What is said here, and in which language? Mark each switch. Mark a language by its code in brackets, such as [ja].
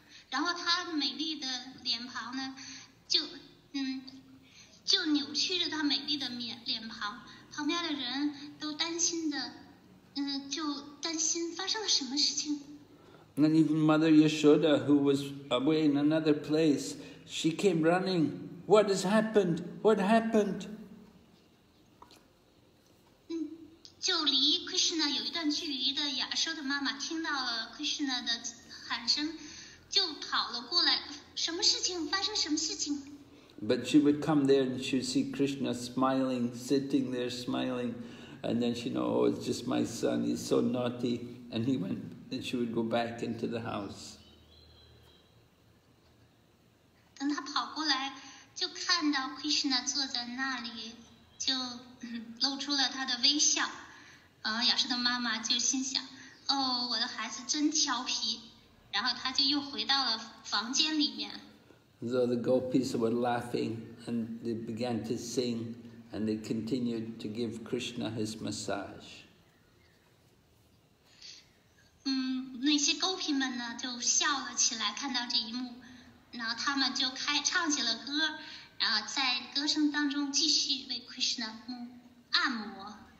[zh] 然后他美丽的脸庞呢，就扭曲着他美丽的脸庞，旁边的人都担心的，就担心发生了什么事情。 [en] And even Mother Yashoda, who was away in another place, she came running. What has happened? What happened? [zh] 就离 Krishna 有一段距离的亚修的妈妈听到了 Krishna 的喊声。就跑了过来，什么事情？发生什么事情？ [en] But she would come there and she would see Krishna smiling, sitting there smiling, and then she know, oh, it's just my son. He's so naughty. And he went, and she would go back into the house. [zh] 等他跑过来，就看到 Krishna 坐在那里，就露出了他的微笑。亞瑟的妈妈就心想，哦，我的孩子真调皮。然后他就又回到了房间里面。 [en] So the gopis were laughing and they began to sing and they continued to give Krishna his massage. [zh] 那些 gopi 们呢就笑了起来，看到这一幕，然后他们就开唱起了歌，然后在歌声当中继续为 Krishna 按摩。